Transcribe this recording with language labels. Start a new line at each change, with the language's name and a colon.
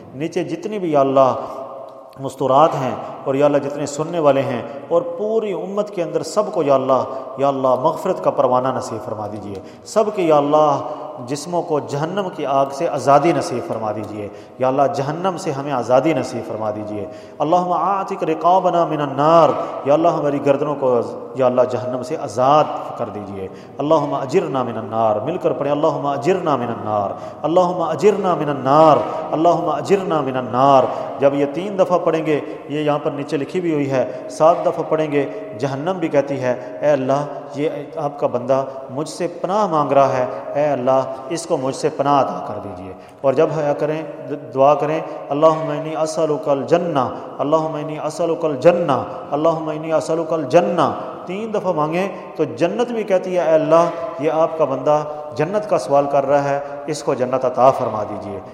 Urdu: نیچے جتنی بھی یا اللہ مستورات ہیں اور یا اللہ جتنے سننے والے ہیں اور پوری امت کے اندر سب کو یا اللہ مغفرت کا پروانہ نصیب فرما دیجئے. سب کے یا اللہ جسموں کو جہنم کی آگ سے آزادی نصیب فرما دیجئے. یا اللہ جہنم سے ہمیں آزادی نصیب فرما دیجئے.
Arabic: اللہم آتک رقابنا من النار،
Urdu: یا اللہ ہماری گردنوں کو یا اللہ جہنم سے آزاد کر دیجئے.
Arabic: اللہم اجرنا من النار،
Urdu: مل کر پڑھیں
Arabic: اللہم اجرنا من النار، اللہم اجرنا من النار، اللہم اجرنا من النار.
Urdu: جب یہ تین دفعہ پڑھیں گے، یہ یہاں پر نیچے لکھی بھی ہوئی ہے، سات دفعہ پڑھیں گے جہنم بھی کہتی ہے اے اللہ یہ آپ کا بندہ مجھ سے پناہ مانگ رہا ہے، اے اللہ اس کو مجھ سے پناہ عطا کر دیجئے. اور جب کریں دعا کریں
Arabic: اللہم انی اسألک الجنہ،
Urdu: اللہم انی اسألک الجنہ، اللہم انی اسألک الجنہ، تین دفعہ مانگیں تو جنت بھی کہتی ہے اے اللہ یہ آپ کا بندہ جنت کا سوال کر رہا ہے، اس کو جنت عطا فرما دیجئے.